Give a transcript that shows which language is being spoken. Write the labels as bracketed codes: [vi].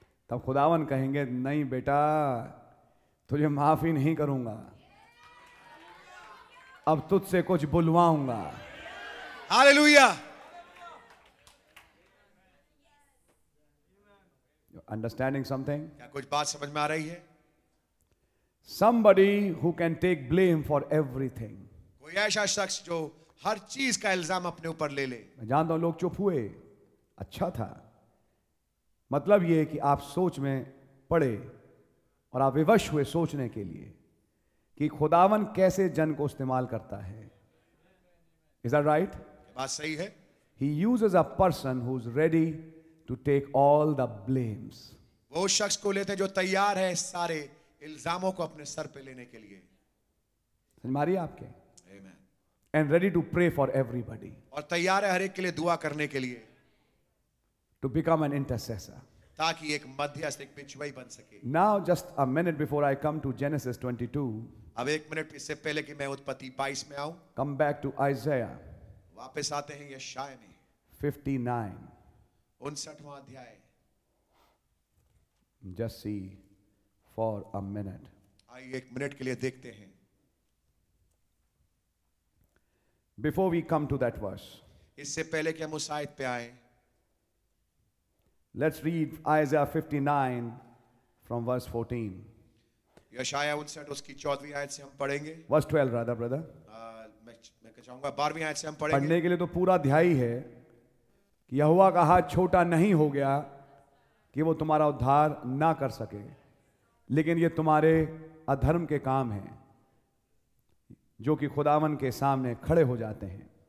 [hi] तब खुदावन कहेंगे, नहीं बेटा, तुझे माफी नहीं करूंगा, अब तुझसे कुछ बुलवाऊंगा. हालेलुया. [en] Understanding something? [hi] क्या कुछ बात समझ में आ रही है? [en] Somebody who can take blame for everything. [hi] कोई ऐसा शख्स जो हर चीज का इल्जाम अपने ऊपर ले ले. मैं जानता हूं लोग चुप हुए. अच्छा था. मतलब ये कि आप सोच में पड़े और आप विवश हुए सोचने के लिए कि खुदावन कैसे जन को इस्तेमाल करता है. [en] Is that right? [hi] बात सही है. [en] He uses a person who's ready to take all the blames. [hi] वो शख्स को लेते हैं जो तैयार है सारे इल्जामों को अपने सर पे लेने के लिए. समझ मारी आपके? [en] Amen. And ready to pray for everybody. [hi] और तैयार है हर एक के लिए दुआ करने के लिए. [en] To become an intercessor. [hi] ताकि एक मध्यस्थ, एक पिछवाई बन सके. [en] Now just a minute before I come to Genesis 22. [hi] अब एक मिनट इससे पहले कि मैं उत्पत्ति 22 में आऊं. [en] Come back to Isaiah. [hi] वापस आते हैं यशायाह में. [en] 59. [hi] 59वां अध्याय. [en] Just see for a minute. [hi] आइए एक मिनट के लिए देखते हैं. [en] Before we come to that verse. [hi] इससे पहले कि हम उस आयत पे आएं. [en] Let's read Isaiah 59 from verse 14. [hi] यशायाह 59 उसकी 14वीं आयत से हम पढ़ेंगे. [en] Verse 12 rather, brother. [hi] मैं कहूंगा 12वीं आयत से हम पढ़ेंगे. पढ़ने के लिए तो पूरा अध्याय है कि यहोवा का हाथ छोटा नहीं हो गया कि वो तुम्हारा उद्धार ना कर सके, लेकिन ये तुम्हारे अधर्म के काम हैं जो कि खुदावन के सामने खड़े हो जाते हैं.